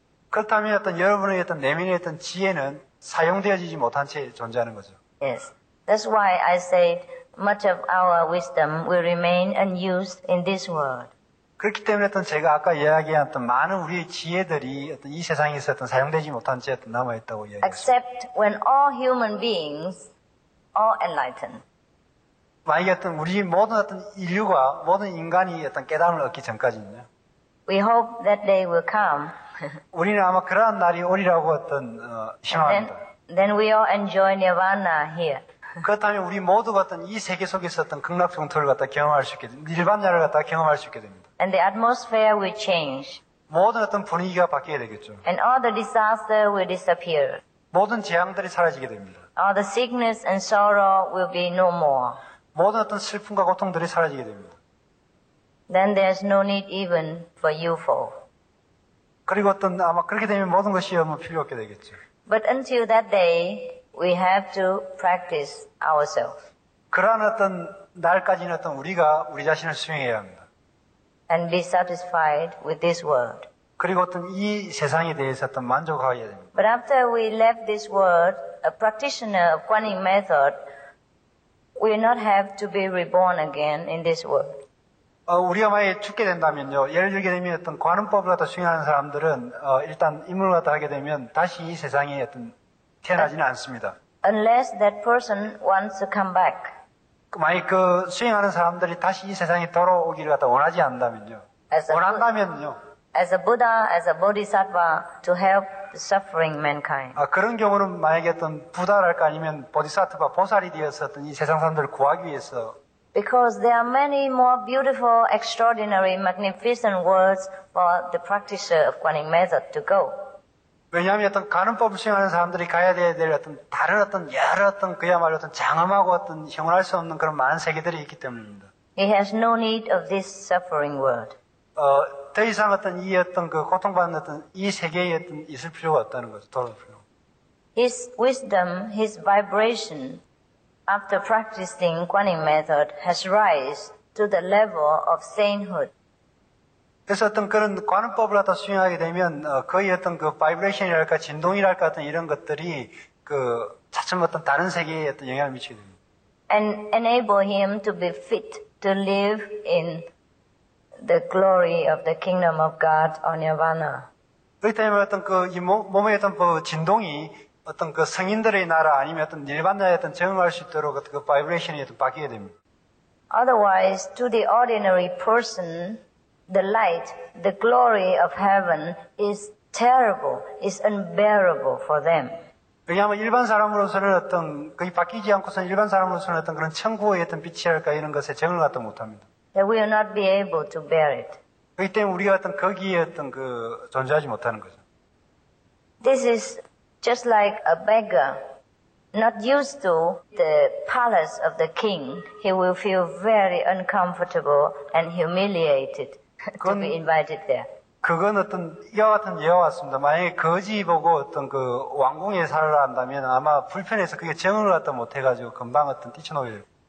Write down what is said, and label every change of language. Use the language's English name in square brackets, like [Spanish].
[Korean] 그렇다면 어떤 여러분의 어떤 내면의 어떤 지혜는 사용되어지지 못한 채 존재하는 거죠. [English] Yes. That's why I said much of our wisdom will remain unused in this world. [Korean] 그렇기 때문에 어떤 제가 아까 이야기한 어떤 많은 우리의 지혜들이 어떤 이 세상에서 어떤 사용되지 못한 채 어떤 남아있다고 이야기합니다. [English] Except when all human beings are enlightened. [Korean] 만약에 어떤 우리 모든 어떤 인류가 모든 인간이 어떤 깨달음을 얻기 전까지는요. [English] We hope that day will come. [Korean] 우리는 아마 그러한 날이 오리라고 어떤 희망합니다. [English] Then we all enjoy nirvana here. [Korean] 그렇다면 우리 모두가 어떤 이 세계 속에서 어떤 극락 정토를 갖다 경험할 수 있게 됩니다. 일반자를 갖다 경험할 수 있게 됩니다. [English] And the atmosphere will change. [Korean] 모든 어떤 분위기가 바뀌게 되겠죠. [English] And all the disaster will disappear. [Korean] 모든 재앙들이 사라지게 됩니다. [English] All the sickness and sorrow will be no more. [Korean] 모든 어떤 슬픔과 고통들이 사라지게 됩니다. [English] Then there's no need even for UFO. [Korean] 그리고 어떤 아마 그렇게 되면 모든 것이 아마 필요 없게 되겠죠. [English] But until that day, we have to practice ourselves. [Korean] 그러한 어떤 날까지는 어떤 우리가 우리 자신을 수행해야 합니다. [English] And be satisfied with this world. [Korean] 그리고 어떤 이 세상에 대해서 어떤 만족해야 됩니다. [English] But after we left this world, a practitioner of Kuan Yin method will not have to be reborn again in this world. [Korean] 우리가 만약에 죽게 된다면요, 예를 들게 되면 어떤 관음법을 갖다 수행하는 사람들은 일단 임무를 갖다 하게 되면 다시 이 세상에 어떤 태어나지는 않습니다. [English] Unless that person wants to come back. [Korean] 만약 그 수행하는 사람들이 다시 이 세상에 돌아오기를 갖다 원하지 않다면요. 원한다면요. [English] As a Buddha, as a Bodhisattva, to help the suffering mankind. [Korean] 그런 경우는 만약에 어떤 부다랄까 아니면 보디사트바 보살이 되어서 어떤 이 세상 사람들을 구하기 위해서. [English] Because there are many more beautiful, extraordinary, magnificent worlds for the practitioner of Kuan Yin method to go. [Korean] 왜냐하면 어떤 관음법을 수행하는 사람들이 가야 될 어떤 다른 어떤 여러 어떤 그야말로 어떤 장엄하고 어떤 형언할 수 없는 그런 많은 세계들이 있기 때문입니다. [English] He has no need of this suffering world. [Korean] 더 이상 어떤 이 어떤 그 고통받는 어떤 이 세계에 어떤 있을 필요가 없다는 거죠. 돌아올 필요가. [English] His wisdom, his vibration, after practicing Kuan Yin method has rise to the level of sainthood. [Korean] 그래서 어떤 그런 관음법을 갖다 수행하게 되면 거의 어떤 그 바이브레이션이랄까 진동이랄까 어떤 이런 것들이 그 차츰 어떤 다른 세계에 어떤 영향을 미치게 됩니다. [English] And enable him to be fit to live in the glory of the kingdom of God or nirvana. [Korean] 그렇다면 어떤 그 이 몸의 어떤 그 진동이 어떤 그 성인들의 나라 아니면 어떤 일반자의 어떤 적응할 수 있도록 그 바이브레이션이 또 바뀌게 됩니다. [English] Otherwise, to the ordinary person, the light, the glory of heaven is terrible, is unbearable for them. [Korean] 왜냐하면 일반 사람으로서는 어떤 거의 바뀌지 않고서 일반 사람으로서는 어떤 그런 천국의 어떤 빛이랄까 이런 것에 적응을 갖다 못합니다. [English] They will not be able to bear it. [Korean] 그렇기 때문에 우리가 어떤 거기에 어떤 그 존재하지 못하는 거죠. [English] This is just like a beggar, not used to the palace of the king, he will feel very uncomfortable and humiliated to be invited there. [Korean] 그건 어떤 이와 같은 예와 같습니다. 만약에 거지 보고 어떤 그 왕궁에 살라 한다면 아마 불편해서 그게 정을 갖다 못해가지고 금방 어떤 뛰쳐나오게 되고.